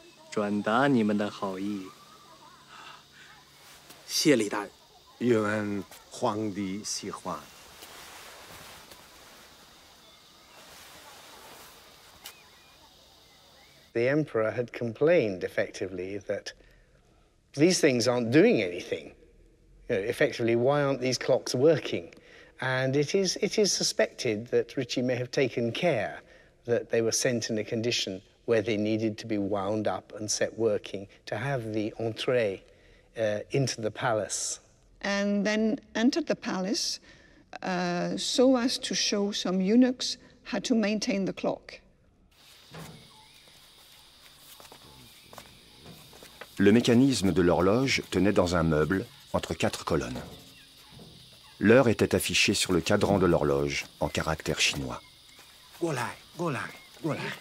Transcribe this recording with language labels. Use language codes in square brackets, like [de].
[zh] 转达你们的好意。谢李大人。愿皇帝喜欢。The [en] emperor had complained effectively that these things aren't doing anything. you know, effectively, why aren't these clocks working? And it is suspected that Ricci may have taken care that they were sent in a condition where they needed to be wound up and set working to have the entree into the palace. And then entered the palace so as to show some eunuchs how to maintain the clock. [fr] Le mécanisme de l'horloge tenait dans un meuble entre quatre colonnes. L'heure était affichée sur le cadran de l'horloge en caractère chinois. Go lai, go lai, go lai.